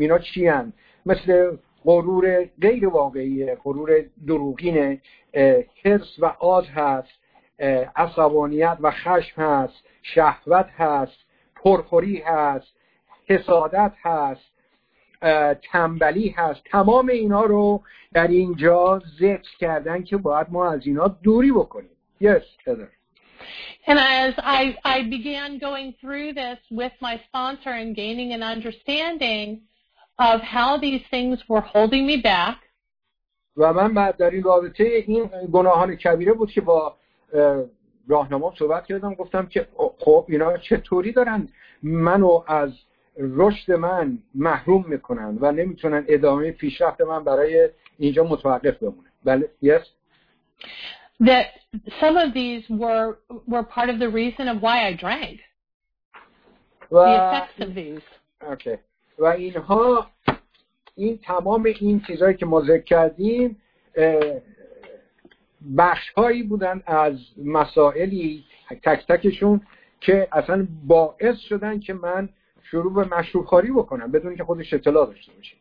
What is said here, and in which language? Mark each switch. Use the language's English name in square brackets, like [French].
[Persian] اینا چی هن؟ مثل غرور غیر واقعیه، غرور دروغینه، حرص و آز هست، عصبانیت و خشم هست، شهوت هست، پرخوری هست، حسادت هست، تنبلی هست. تمام اینا رو در اینجا ذکر کردن که باید ما از اینا دوری بکنیم. [English] Yes, Heather. And as I began going through this with my sponsor and gaining an understanding of how these things were holding me back. [Persian] و من بعد در این رابطه این گناهان کبیره بود که با راهنما صحبت کردم، گفتم که خب اینا چطوری دارن منو از رشد من محروم میکنن و نمیتونن ادامه پیشرفت من برای اینجا متوقف بمونه. بله. [English] Yes. That some of these were part of the reason of why I drank. [Persian] و... [English] the effects of these. Okay. [Persian] و اینها این تمام این چیزایی که ما ذکر کردیم بخش هایی بودن از مسائلی تک تکشون که اصلا باعث شدن که من شروع به مشروب‌خواری بکنم بدون اینکه خودش اطلاع داشته باشه.